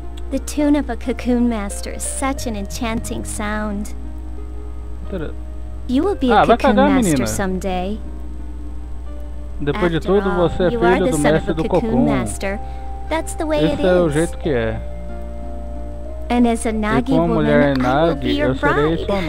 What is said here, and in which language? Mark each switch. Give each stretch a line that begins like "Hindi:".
English: The tune of a cocoon master is such an enchanting sound. You will be a cocoon master someday.
Portuguese: Depois de tudo, você é filho do mestre do cocoon.
English: That's the way it is.
Portuguese: É o jeito que é.
English: And as a Nagi woman, I will be your bride.